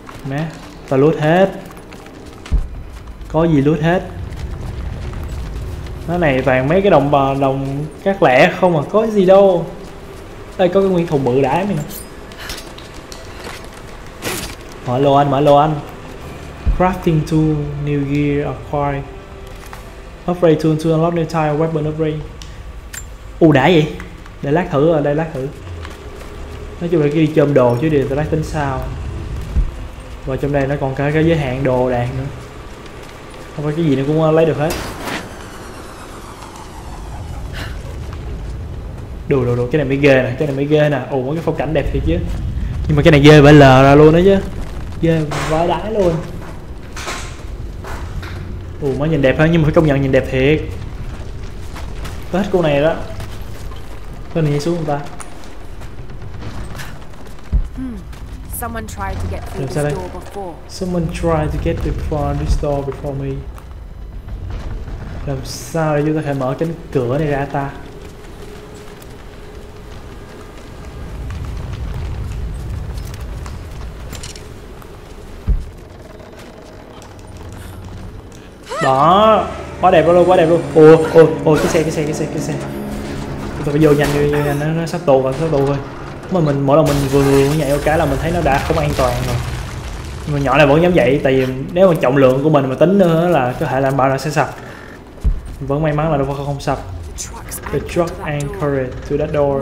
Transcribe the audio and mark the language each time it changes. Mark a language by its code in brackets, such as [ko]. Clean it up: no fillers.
[vi] Mẹ, tao loot hết. Có gì loot hết. Nó này toàn mấy cái đồng các lẻ không à, có gì đâu. Đây có cái nguyên thùng bự đá này nè. Mở lô anh, mở lô anh. [en] Crafting tool, new gear acquired. Upgrade tool to unlock new type weapon upgrade. [vi] Ồ đã vậy. Để lát thử rồi, đây lát thử. Nói chung là cái đi chôm đồ chứ để tao lát tính sao. Và trong đây nó còn cái giới hạn đồ đạn nữa. Không phải cái gì nó cũng lấy được hết. Đồ đồ đồ, cái này mới ghê nè, cái này mới ghê nè. Ồ, mấy cái phong cảnh đẹp kìa chứ. Nhưng mà cái này ghê vãi lờ ra luôn đó chứ. Ghê vãi đái luôn. Ồ, mới nhìn đẹp hơn nhưng mà phải công nhận nhìn đẹp thiệt. Tôi thích con này đó. Con này nhảy xuống không ta? [en] Someone tried to get through this door before. Someone tried to get through this door before me. [vi] Làm sao để chúng ta có thể mở cánh cửa này ra ta? Đó, quá đẹp luôn, quá đẹp luôn. Ồ, ồ, ồ, cái xe. Chúng ta phải vô nhanh, nó sắp tù rồi, sắp tù rồi. Mà mình mỗi lần mình vừa nhảy một cái là mình thấy nó đã không an toàn rồi. Nhưng mà nhỏ này vẫn dám dậy, tại vì nếu mà trọng lượng của mình mà tính nữa là có thể là bao là sẽ sập. Vẫn may mắn là nó vẫn không sập. [en] The truck anchored to that door.